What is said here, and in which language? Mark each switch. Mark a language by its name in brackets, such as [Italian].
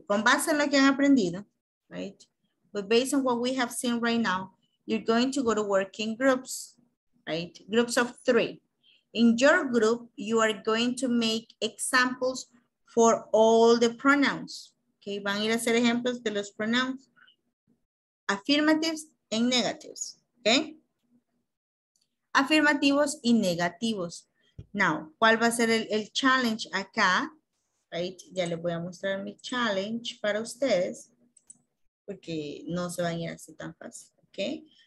[Spanish] Con base en lo que han aprendido, right? [English] But based on what we have seen right now, you're going to go to working groups, right? Groups of three. In your group, you are going to make examples for all the pronouns. [Spanish] Okay, van a ir a hacer ejemplos de los pronouns. [English] Affirmatives and negatives, okay? [Spanish] Afirmativos y negativos. Now, ¿cuál va a ser el challenge acá? Right? Ya les voy a mostrar mi challenge para ustedes. Porque no se van a ir así tan fácil. Okay?